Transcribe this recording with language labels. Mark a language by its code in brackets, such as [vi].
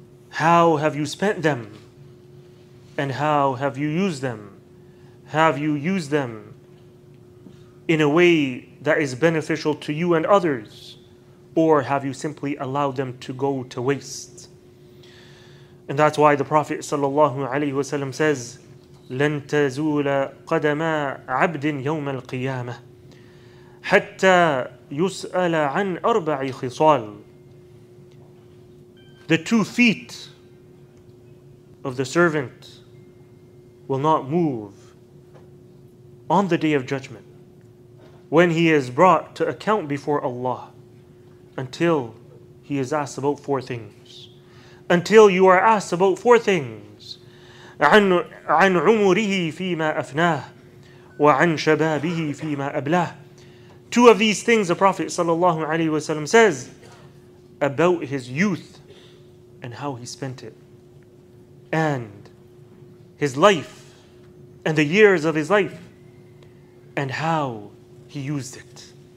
[en] How have you spent them? And how have you used them? Have you used them in a way that is beneficial to you and others? Or have you simply allowed them to go to waste? And that's why the Prophet sallallahu alaihi wasallam says, [ar] لَن تَزُولَ قَدَمَا عَبْدٍ يَوْمَ الْقِيَامَةِ حَتَّى يُسْأَلَ عَنْ أَرْبَعِ خِصَالٍ. [en] The two feet of the servant will not move on the Day of Judgment when he is brought to account before Allah until he is asked about four things. Until you are asked about four things. [ar] عن عمره فيما أفناه وعن شبابه فيما أبلاه. [en] Two of these things the Prophet sallallahu alaihi wasallam says about his youth and how he spent it, and his life and the years of his life and how he used it.